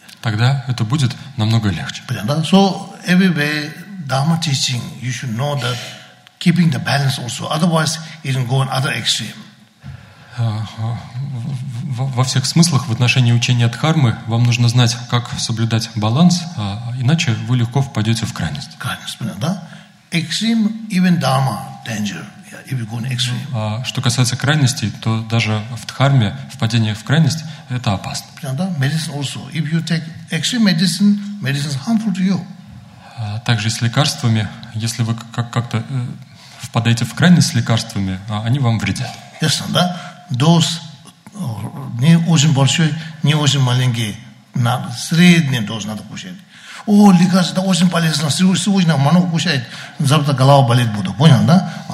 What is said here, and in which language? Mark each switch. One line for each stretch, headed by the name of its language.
Russian: Тогда это будет намного легче.
English: So every way Dharma teaching, you should know that keeping the balance also, otherwise it will go on other extreme.
Russian: Во всех смыслах в отношении учения Дхармы вам нужно знать, как соблюдать баланс, иначе вы легко впадете в крайность. Крайность, да?
English: Extreme, even Dharma, danger. Yeah, if you go in extreme.
Russian: Что касается крайностей, то даже в Дхарме впадение в крайность – это опасно.
English: Да? Medicine also. If you take extreme medicine, medicine is harmful to you.
Russian: Также с лекарствами. Если вы как-то впадаете в крайность с лекарствами, они вам вредят. Ясно, да? Dose не очень большой, не очень маленький. Надо, средний доз надо кушать. О, лекарство очень полезно. Сегодня много кушает, завтра голова болеть буду. Понял, да?